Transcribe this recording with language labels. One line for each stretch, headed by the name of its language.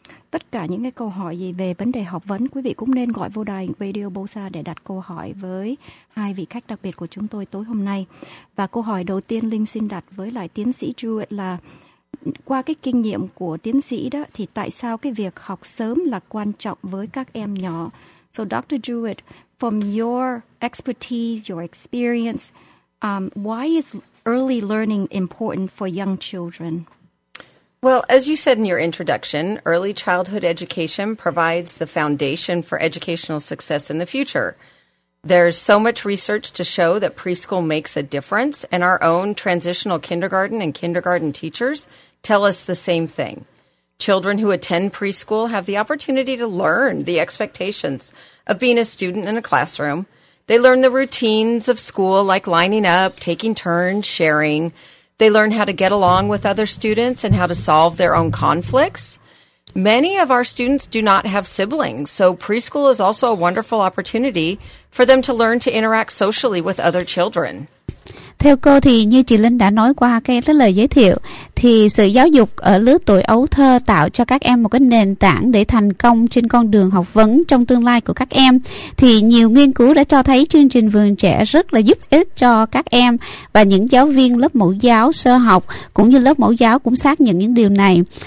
Vietnamese: tất cả những cái câu hỏi gì về vấn đề học vấn, quý vị cũng nên gọi vô đài Radio Bosa để đặt câu hỏi với hai vị khách đặc biệt của chúng tôi tối hôm nay. Và câu hỏi đầu tiên Linh xin đặt với lại tiến sĩ Jewett là qua cái kinh nghiệm của tiến sĩ đó thì tại sao cái việc học sớm là quan trọng với các em nhỏ?
English: So Dr. Jewett, from your expertise, your experience, why is early learning important for young children? Well, as you said in your introduction, early childhood education provides the foundation for educational success in the future. There's so much research to show that preschool makes a difference, and our own transitional kindergarten and kindergarten teachers tell us the same thing. Children who attend preschool have the opportunity to learn the expectations of being a student in a classroom. They learn the routines of school, like lining up, taking turns, sharing. They learn how to get along with other students and how to solve their own conflicts. Many of our students do not have siblings, so preschool is also a wonderful opportunity for them to learn to interact socially with other children.
Vietnamese: Theo cô thì như chị Linh đã nói qua cái lời giới thiệu, thì sự giáo dục ở lứa tuổi ấu thơ tạo cho các em một cái nền tảng để thành công trên con đường học vấn trong tương lai của các em. Thì nhiều nghiên cứu đã cho thấy chương trình Vườn Trẻ rất là giúp ích cho các em, và những giáo viên lớp mẫu giáo sơ học cũng như lớp mẫu giáo cũng xác nhận những điều này.